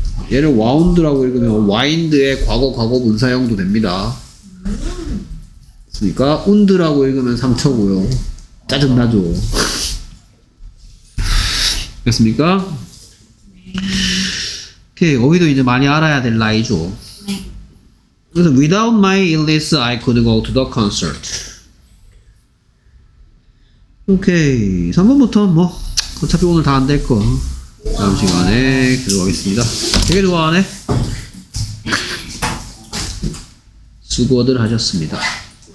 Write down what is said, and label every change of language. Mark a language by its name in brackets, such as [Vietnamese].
[Korean] 얘를 와운드라고 읽으면 와인드의 과거 과거 분사형도 됩니다. 그러니까 운드라고 읽으면 상처고요. 짜증나죠. 됐습니까? 오케이. 어휘도 이제 많이 알아야 될 나이죠. [English] 그래서 without my illness I could go to the concert. [Korean] 오케이. 3번부터 뭐 어차피 오늘 다 안 될 거. 다음 시간에 들어가겠습니다. 되게 좋아하네. 수고들 하셨습니다.